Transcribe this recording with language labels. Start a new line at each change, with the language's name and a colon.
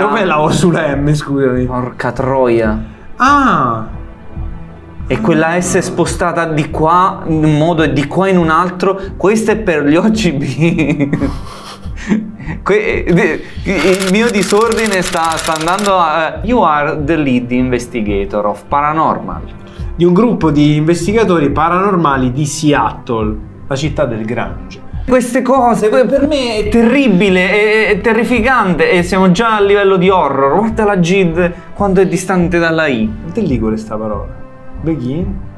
Italian: Dov'è la O sulla M, scusami? Porca troia. Ah! E quella S spostata di qua in un modo e di qua in un altro. Questo è per gli OGB. Il mio disordine sta andando a...
English: You are the lead investigator of paranormal.
Italian: Di un gruppo di investigatori paranormali di Seattle, la città del grunge. Queste cose per me è terribile, è terrificante. E siamo già a livello di horror. Guarda la G quanto è distante dalla I. Non te dico questa parola.
English: Begin?